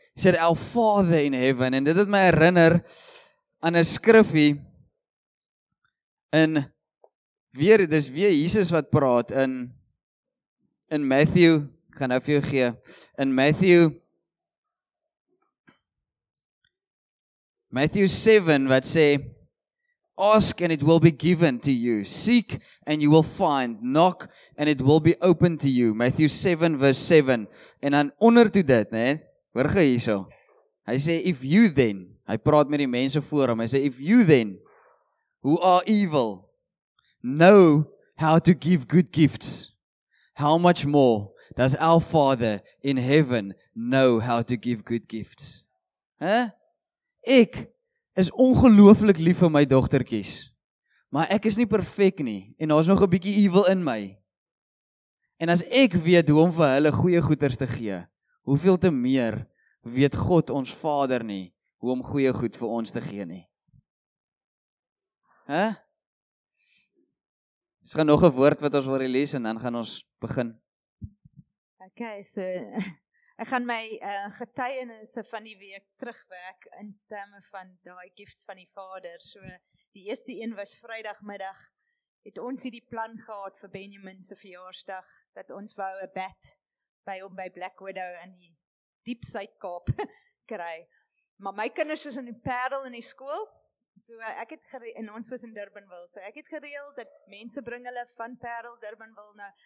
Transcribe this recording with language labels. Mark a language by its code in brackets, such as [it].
[en] He said, Our Father in heaven. [af] En dit het my herinner aan 'n skrifie in, weer, dis weer Jesus wat praat in Matthew, ek gaan nou vir jou gee, in Matthew 7, wat sê, [en] Ask and it will be given to you. Seek and you will find. Knock and it will be opened to you. Matthew 7, verse 7. [af] En dan onder toe dit, nee, hoor gij hier so. Hy sê, [en] if you then, [af] hy praat met die mense voor hom, hy sê, [en] if you then, who are evil, know how to give good gifts, how much more does our Father in heaven know how to give good gifts? Huh? [af] Ek is ongelooflik lief vir my dogtertjies. Maar ek is nie perfek nie en daar's nog 'n bietjie evil in my. En as ek weet hoe om vir hulle goeie goeders te gee, hoeveel te meer weet God ons Vader nie hoe om goeie goed vir ons te gee nie. Hæ? Huh? Ons gaan nog 'n woord wat ons wil release en dan gaan ons begin. Okay, so ek gaan my getuienisse van die week terugwerk in terme van daai gifts van die Vader. So die eerste een was Vrydagmiddag. Het ons hierdie plan gehad vir Benjamin se verjaarsdag dat ons wou 'n bed by hom by Black Widow in die diep Suid-Kaap kry. Maar my kinders is in die Parel in die skool. So ek het gereel, en ons was in Durbanville. So ek het gereël dat mense bring hulle van Parel Durbanville nou.